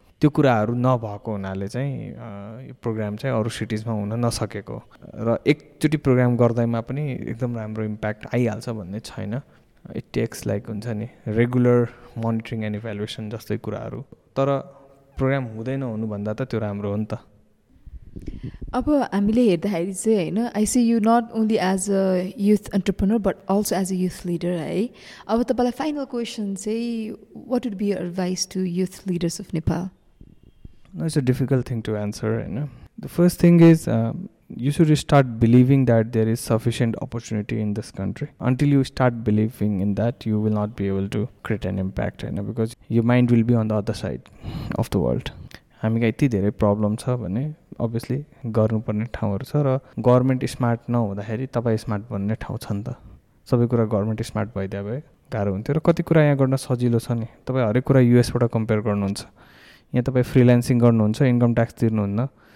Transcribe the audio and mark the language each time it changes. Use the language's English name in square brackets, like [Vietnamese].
[Nepali] त्यो कुराहरू नभएको हुनाले चाहिँ यो प्रोग्राम चाहिँ अरू सिटिजमा हुन नसकेको. र एकचोटि प्रोग्राम गर्दैमा पनि एकदम राम्रो इम्प्याक्ट आइहाल्छ भन्ने छैन. [English] it takes like [Nepali] हुन्छ नि [English] regular monitoring and evaluation [Nepali] जस्तै कुराहरू. तर प्रोग्राम हुँदैन हुनुभन्दा त त्यो राम्रो हो नि त. अब हामीले हेर्दाखेरि चाहिँ होइन, [English] I see you not only as a youth entrepreneur but also as a youth leader है. [Nepali] अब तपाईँलाई फाइनल क्वेसन चाहिँ, [English] What would be advice to youth leaders of Nepal? No, it's a difficult thing to answer, you know. The first thing is, you should start believing that there is sufficient opportunity in this country. Until you start believing in that, you will not be able to create an impact, you know, because your mind will be on the other side of the world. [Nepali] हामीका यति धेरै problem छ भने obviously गर्नुपर्ने ठाउँहरू छ. र government smart नहुँदाखेरि तपाईँ स्मार्ट बन्ने ठाउँ छ नि त. सबै कुरा गभर्मेन्ट स्मार्ट भइदिए भए गाह्रो हुन्थ्यो. र कति कुरा यहाँ गर्न सजिलो छ नि. तपाईँ हरेक कुरा युएसबाट कम्पेयर गर्नुहुन्छ. यहाँ तपाईँ फ्रिलान्सिङ गर्नुहुन्छ, इन्कम ट्याक्स तिर्नुहुन्न.